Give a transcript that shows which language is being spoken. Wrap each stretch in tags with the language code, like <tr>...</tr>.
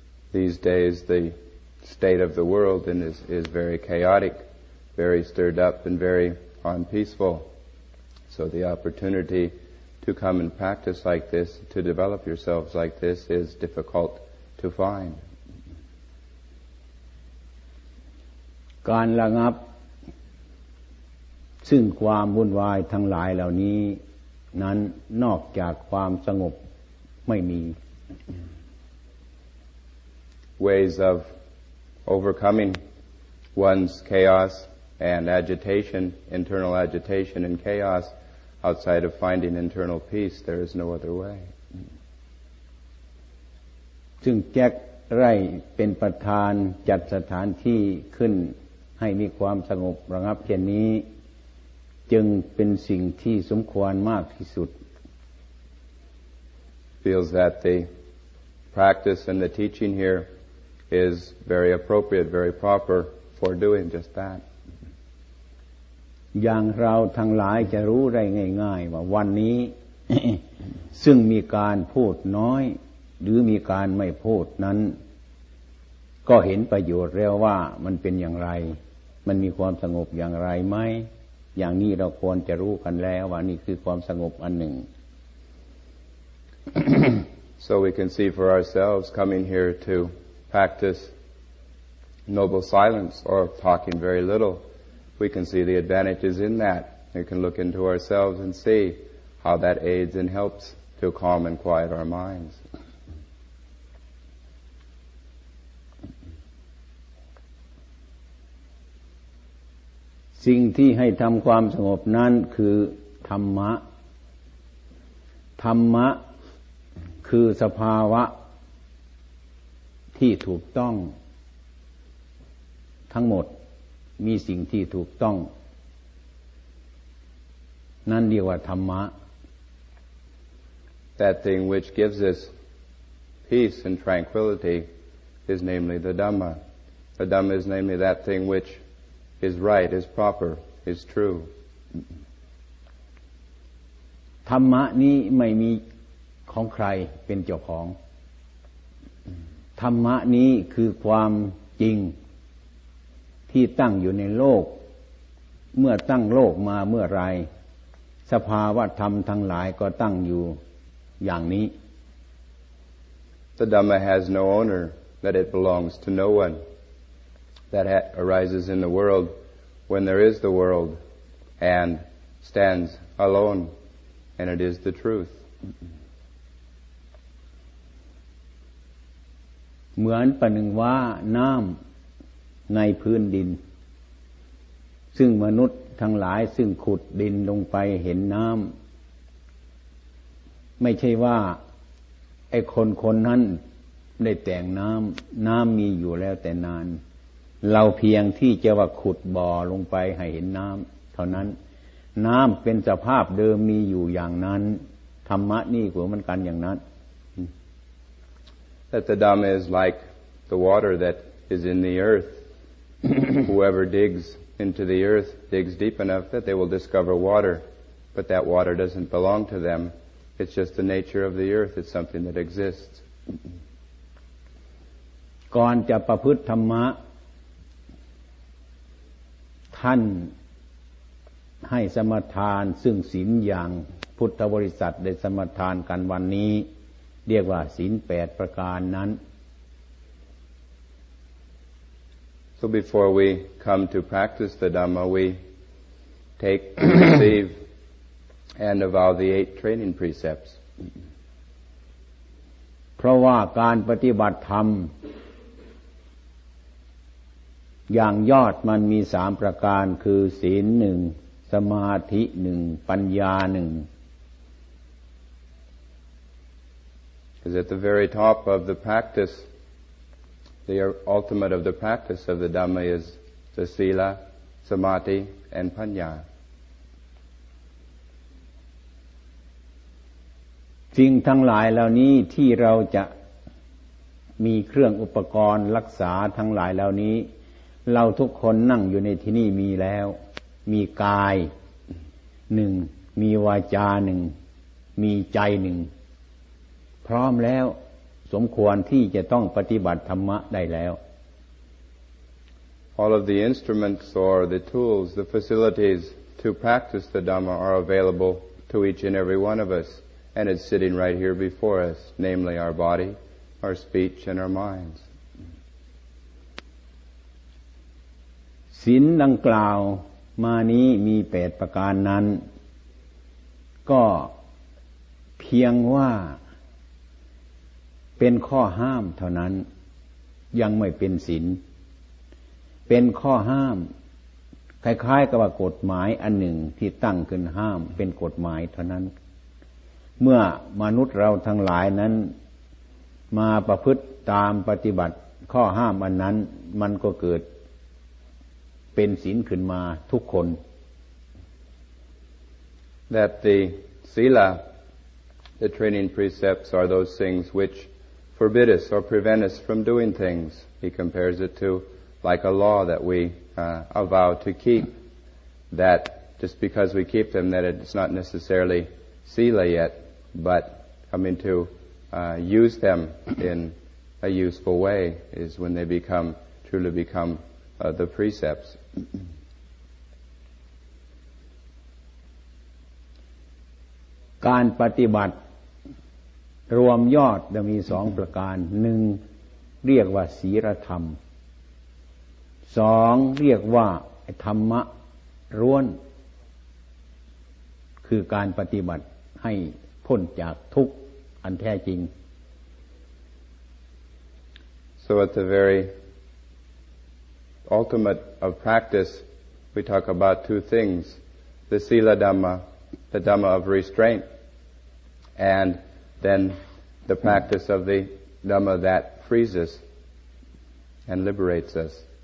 <en>These days the state of the world is very chaotic, very stirred up and very unpeaceful. So the opportunity to come and practice like this, to develop yourselves like this is difficult to find.</en> <th>การระงับซึ่งความวุ่นวายทั้งหลายเหล่านี้นั้นนอกจากความสงบไม่มี</th> <en>ways of overcoming one's chaos and agitation internal agitation and chaos outside of finding internal peace there is no other way</en> <th>ซึ่งแจ็คไร่เป็นประธานจัดสถานที่ขึ้นให้มีความสงบระงับเพียงนี้จึงเป็นสิ่งที่สมควรมากที่สุด</th> <en>feels that the practice and the teaching here is very appropriate very proper for doing just that</en> <th>อย่างเราทั้งหลายจะรู้ได้ง่ายๆว่าวันนี้ ซึ่งมีการพูดน้อยหรือมีการไม่พูดนั้นก็เห็นประโยชน์แล้วว่ามันเป็นอย่างไรมันมีความสงบอย่างไรไหมอย่างนี้เราควรจะรู้กันแล้วว่านี่คือความสงบอันหนึ่ง</th> <en>So we can see for ourselves coming here to practice noble silence or talking very little we can see the advantages in that we can look into ourselves and see how that aids and helps to calm and quiet our minds</en> <th>สิ่งที่ให้ทำความสงบนั้นคือธรรมะธรรมะคือสภาวะที่ถูกต้องทั้งหมดมีสิ่งที่ถูกต้องนั่นเรียกว่าธรรมะ</th> <en>That thing which gives us peace and tranquility is namely the Dhamma. The Dhamma is namely that thing which is right, is proper, is true.</en> <th>ธรรมะนี้ไม่มีของใครเป็นเจ้าของธรรมะนี้คือความจริงที่ตั้งอยู่ในโลกเมื่อตั้งโลกมาเมื่อไรสภาวะธรรมทั้งหลายก็ตั้งอยู่อย่างนี้</th> <en>The Dhamma has no owner, that it belongs to no one, that arises in the world when there is the world, and stands alone, and it is the truth.</en> <th>เหมือนประหนึ่งว่าน้ำในพื้นดินซึ่งมนุษย์ทั้งหลายซึ่งขุดดินลงไปเห็นน้ำไม่ใช่ว่าไอ้คนนั้นได้แต่งน้ำน้ำมีอยู่แล้วแต่นานเราเพียงที่จะว่าขุดบ่อลงไปให้เห็นน้ำเท่านั้นน้ำเป็นสภาพเดิมมีอยู่อย่างนั้นธรรมะนี่ก็เหมือนกันอย่างนั้น</th> <en>That the Dhamma is like the water that is in the earth. Whoever digs into the earth digs deep enough that they will discover water, but that water doesn't belong to them. It's just the nature of the earth. It's something that exists.</en> <th>ก่อนจะประพฤติธรรมะท่านให้สมาทานซึ่งศีลอย่างพุทธบริษัทได้สมาทานกันวันนี้เรียกว่าศีล8ประการนั้น</th> <en>So before we come to practice the Dhamma, we take receive and avow the 8 training precepts.</en> <th>เพราะว่าการปฏิบัติธรรมอย่างยอดมันมี3ประการคือศีล1สมาธิ1ปัญญา1</th> <en>Because at the very top of the practice, the ultimate of the practice of the Dhamma is the Sila, Samadhi and Panya.</en> <th>สิ่งทั้งหลายเหล่านี้ที่เราจะมีเครื่องอุปกรณ์รักษาทั้งหลายเหล่านี้เราทุกคนนั่งอยู่ในที่นี่มีแล้วมีกาย1มีวาจา1มีใจ1พร้อมแล้วสมควรที่จะต้องปฏิบัติธรรมะได้แล้ว</th> <en>All of the instruments or the tools the facilities to practice the Dhamma are available to each and every one of us and it's sitting right here before us namely our body our speech and our minds</en> <th>ศีลดังกล่าวมานี้มี8ประการนั้นก็เพียงว่าเป็นข้อห้ามเท่านั้นยังไม่เป็นศีล เป็นข้อห้ามคล้ายๆกับกฎหมายอันหนึ่งที่ตั้งขึ้นห้ามเป็นกฎหมายเท่านั้นเมื่อมนุษย์เราทั้งหลายนั้นมาประพฤติตามปฏิบัติข้อห้ามอันนั้นมันก็เกิดเป็นศีลขึ้นมาทุกคน</th> <en>That the sila, the training precepts are those things which forbid us or prevent us from doing things. He compares it to like a law that we avow to keep. That just because we keep them, that it's not necessarily sila yet, but coming to use them in a useful way is when they become truly become the precepts.</en> <th>การปฏิบัติรวมยอดจะมี2ประการ1เรียกว่าศีลธรรม2เรียกว่าธรรมะร้วนคือการปฏิบัติให้พ้นจากทุกข์อันแท้จริง</th> <en>So at the veryUltimate of practice, we talk about two things, the Sila Dhamma, the Dhamma of restraint, and then the practice of the Dhamma that frees us and liberates us.</en>